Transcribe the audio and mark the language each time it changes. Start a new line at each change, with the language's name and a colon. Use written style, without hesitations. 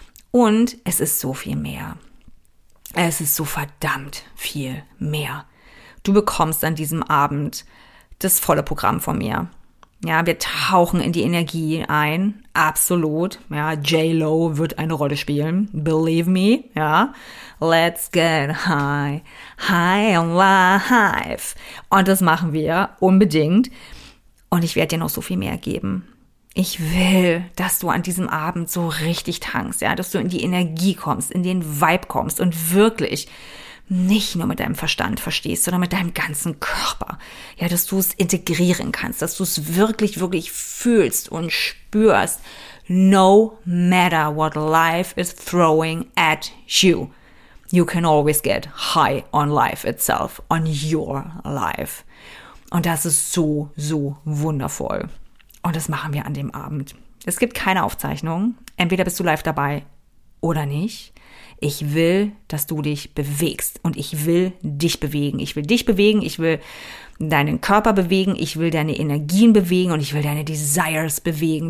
German: Und es ist so viel mehr. Es ist so verdammt viel mehr. Du bekommst an diesem Abend das volle Programm von mir. Ja, wir tauchen in die Energie ein, absolut. Ja, J-Lo wird eine Rolle spielen,
English: believe me,
German: ja.
English: Let's get high, high on life.
German: Und das machen wir unbedingt. Und ich werde dir noch so viel mehr geben. Ich will, dass du an diesem Abend so richtig tankst, ja. Dass du in die Energie kommst, in den Vibe kommst und wirklich nicht nur mit deinem Verstand verstehst, sondern mit deinem ganzen Körper. Ja, dass du es integrieren kannst, dass du es wirklich, wirklich fühlst und spürst.
English: No matter what life is throwing at you, you can always get high on life itself, on your life.
German: Und das ist so, so wundervoll. Und das machen wir an dem Abend. Es gibt keine Aufzeichnung. Entweder bist du live dabei oder nicht. Ich will, dass du dich bewegst und ich will dich bewegen. Ich will dich bewegen, ich will deinen Körper bewegen, ich will deine Energien bewegen und ich will deine Desires bewegen.